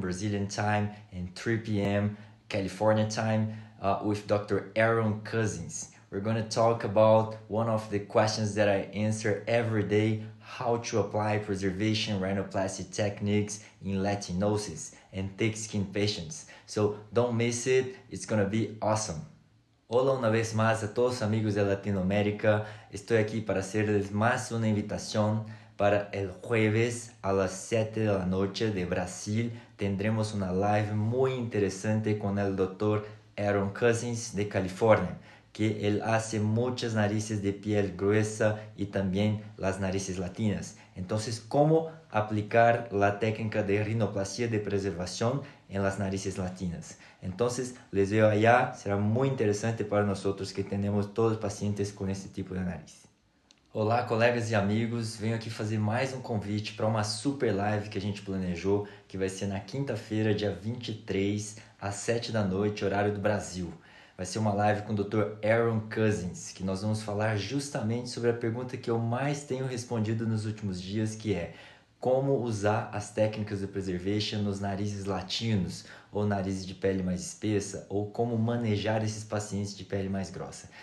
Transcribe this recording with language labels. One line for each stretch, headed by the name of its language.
English: Brazilian time and 3 p.m. California time with Dr. Aaron KOSINS. We're gonna talk about one of the questions that I answer every day, how to apply preservation rhinoplasty techniques in latinosis and thick skin patients. So don't miss it, it's gonna be awesome.
Portuguese: Olá, uma vez mais a todos amigos da Latinoamérica. Estou aqui para
Spanish: hacerles
Portuguese: mais uma invitação para
Spanish: el jueves a las 7 de la noche de Brasil. Tendremos
Portuguese: uma
Spanish: live muy interesante con el Dr. Aaron KOSINS de California, que él hace muchas narices de piel gruesa y también las narices latinas. Entonces, ¿cómo aplicar la técnica de rinoplastia de preservación en las narices latinas? Entonces, les veo allá, será muy interesante para nosotros que tenemos todos pacientes con este tipo de nariz.
Portuguese: Olá, colegas e amigos, venho aqui fazer mais um convite para uma super live que a gente planejou, que vai ser na quinta-feira, dia 23, às 7 da noite, horário do Brasil. Vai ser uma live com o Dr. Aaron KOSINS, que nós vamos falar justamente sobre a pergunta que eu mais tenho respondido nos últimos dias, que é como usar as técnicas de preservation nos narizes latinos, ou narizes de pele mais espessa, ou como manejar esses pacientes de pele mais grossa.